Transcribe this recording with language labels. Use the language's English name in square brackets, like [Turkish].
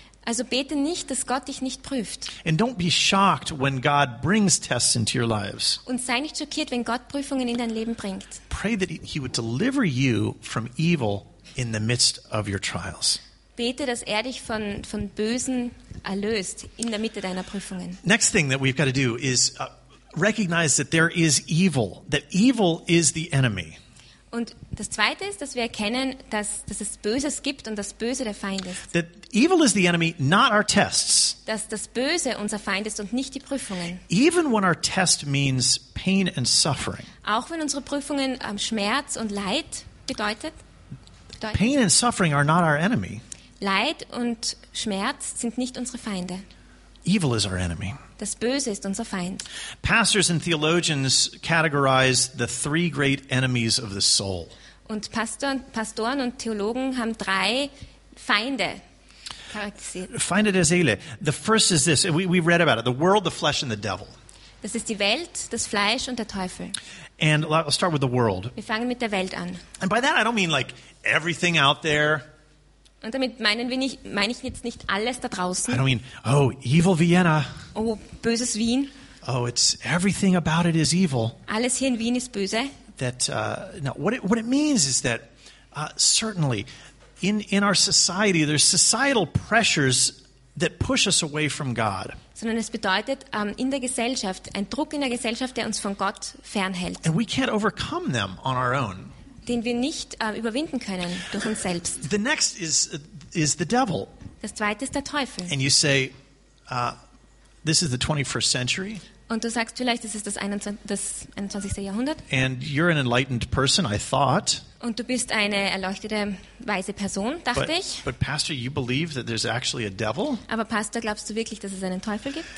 [German] Also bete nicht, dass Gott dich nicht prüft. [English] And don't be shocked when God brings tests into your lives. [German] Und sei nicht schockiert, wenn Gott Prüfungen in dein Leben bringt. [English] Pray that he would deliver you from evil in the midst of your trials. [German] Bete, dass er dich von Bösen erlöst in der Mitte deiner Prüfungen. [English] Next thing that we've got to do is recognize that there is evil, that evil is the enemy. [German] Und das zweite ist, dass wir erkennen, dass es Böses gibt und das Böse der Feind ist. [English] That evil is the enemy, not our tests. [German] Dass das Böse unser Feind ist und nicht die Prüfungen. [English] Even when our test means pain and suffering. [German] Auch wenn unsere Prüfungen Schmerz und Leid bedeutet. [English] Pain and suffering are not our enemy. [German] Leid und Schmerz sind nicht unsere Feinde. [English] Evil is our enemy. [German] Das Böse ist unser Feind. [English] Pastors and theologians categorize the three great enemies of the soul. [German] Und Pastoren und Theologen haben drei Feinde charakterisiert. Feinde der Seele. [English] The first is this. We read about it. The world, the flesh and the devil. [German] Das ist die Welt, das Fleisch und der Teufel. [English] And I'll start with the world. [German] Wir fangen mit der Welt an. [English] And by that I don't mean like everything out there. [German] Und damit meine ich jetzt nicht alles da draußen. [English] I don't mean, oh, evil Vienna. [German] Oh, böses Wien. [English] Oh, it's everything about it is evil. [German] Alles hier in Wien ist böse. [English] That what it means is that certainly in our society there's societal pressures that push us away from God. [German] Sondern es bedeutet in der Gesellschaft ein Druck in der Gesellschaft, der uns von Gott fernhält. [English] And we can't overcome them on our own. [German] Den wir nicht überwinden können durch uns selbst. [English] The next is the devil. [German] Das zweite ist der Teufel. [English] And you say, this is the 21st century. [German] Und du sagst vielleicht, das ist das 21. Jahrhundert. [English] And you're an enlightened person, I thought. [German] Und du bist eine erleuchtete, weise Person, dachte ich. [English] But Pastor, you believe that there's actually a devil? [German] Aber Pastor, glaubst du wirklich, dass es einen Teufel gibt?